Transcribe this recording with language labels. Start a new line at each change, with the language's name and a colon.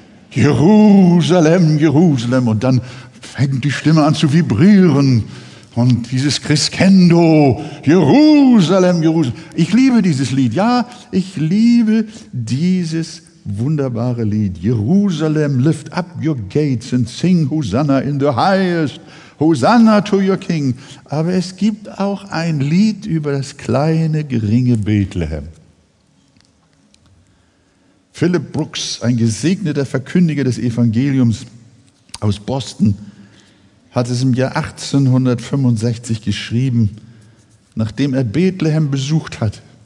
German: Jerusalem, Jerusalem. Und dann fängt die Stimme an zu vibrieren. Und dieses Crescendo, Jerusalem, Jerusalem. Ich liebe dieses Lied, ja, ich liebe dieses wunderbare Lied.
English: Jerusalem, lift up your gates and sing Hosanna in the highest. Hosanna to your King.
German: Aber es gibt auch ein Lied über das kleine, geringe Bethlehem. Philip Brooks, ein gesegneter Verkündiger des Evangeliums aus Boston, hat es im Jahr 1865 geschrieben, nachdem er Bethlehem besucht hatte.